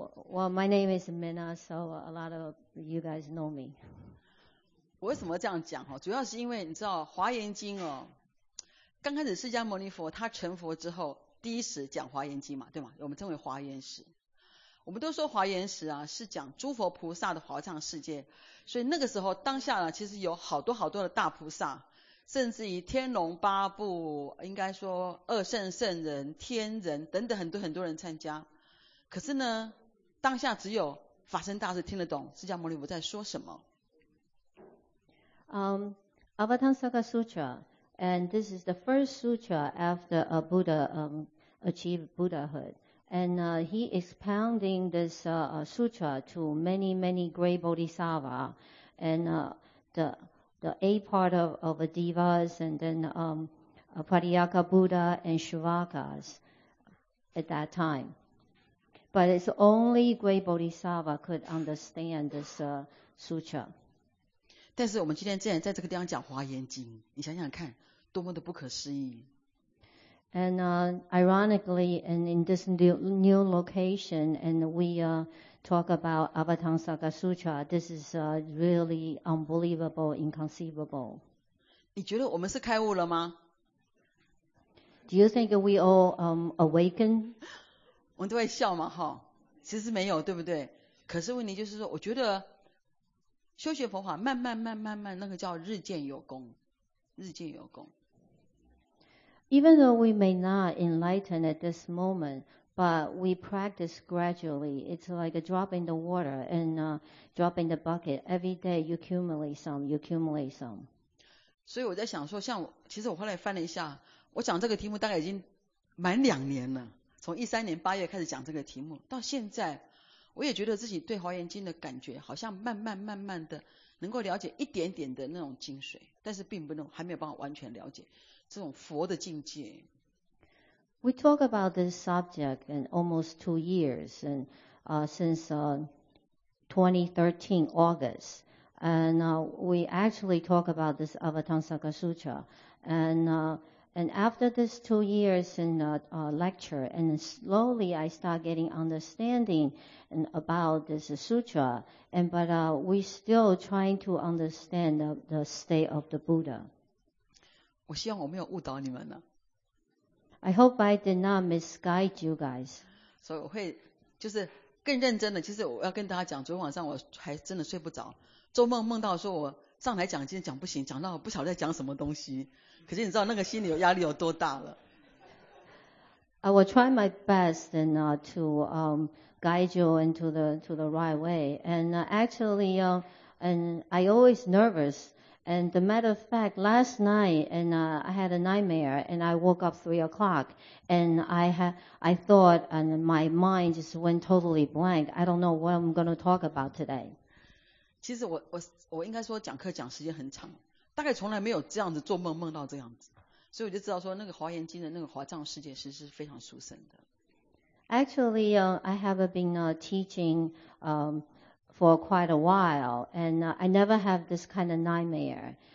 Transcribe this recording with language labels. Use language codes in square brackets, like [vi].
[en] Well, my name is Mina, so a lot of you guys know me. [zh] 我为什么这样讲？主要是因为你知道《华严经》哦，刚开始释迦牟尼佛他成佛之后，第一史讲《华严经》嘛，对吗？我们称为《华严史》。我们都说华严史啊，是讲诸佛菩萨的华藏世界，所以那个时候当下呢，其实有好多好多的大菩萨，甚至于天龙八部，应该说二圣圣人、天人等等很多很多人参加。可是呢，当下只有法身大士听得懂释迦牟尼佛在说什么。 [en] Avatamsaka Sutra, and this is the first sutra after a Buddha achieved Buddhahood. And he expounding this sutra to many, many great bodhisattva and the eight part of the divas and then Pratyaka Buddha and Shuvakas at that time. But it's only great bodhisattva could understand this sutra. [zh] 但是我们今天既然在这个地方讲华严经，你想想看多么的不可思议。 [en] And ironically, and in this new location, and we talk about Avatamsaka Sutra, this is really unbelievable, inconceivable. [zh] 你觉得我们是开悟了吗？ [en] Do you think we all awaken? [zh] 我们都会笑嘛，哈，其实没有，对不对？可是问题就是说，我觉得修学佛法慢慢慢慢慢，那个叫日渐有功，日渐有功。 [en] Even though we may not enlighten at this moment, but we practice gradually. It's like a drop in the water and a drop in the bucket. Every day you accumulate some, you accumulate some. [zh] 所以我在想说，像其实我后来翻了一下，我讲这个题目大概已经满两年了，从13年8月开始讲这个题目，到现在，我也觉得自己对华严经的感觉好像慢慢慢慢的能够了解一点点的那种精髓，但是并不能还没有办法完全了解。这种佛的境界。 [en] We talk about this subject in almost 2 years, and since 2013 August, and we actually talk about this Avatamsaka Sutra, and after this 2 years in lecture, and slowly I start getting understanding and about this sutra, but we still trying to understand the state of the Buddha. [zh] 我希望我没有误导你们了。 [en] I hope I did not misguide you guys. [zh] 所以我会就是更认真的，其实我要跟大家讲，昨天晚上我还真的睡不着，做梦梦到说我上来讲，今天讲不行，讲到我不晓得在讲什么东西。可是你知道那个心里有压力有多大了。 [en] I will try my best and to guide you into the right way. And actually, and I always nervous. And the matter of fact, last night, and I had a nightmare, and I woke up 3 o'clock, and I thought, and my mind just went totally blank. I don't know what I'm going to talk about today. [zh] 其实我应该说讲课讲时间很长，大概从来没有这样子做梦梦到这样子，所以我就知道说那个华严经的那个华藏世界其实是非常殊胜的。 [en] Actually, I have been teaching. For quite a while, and I never have this kind of nightmare.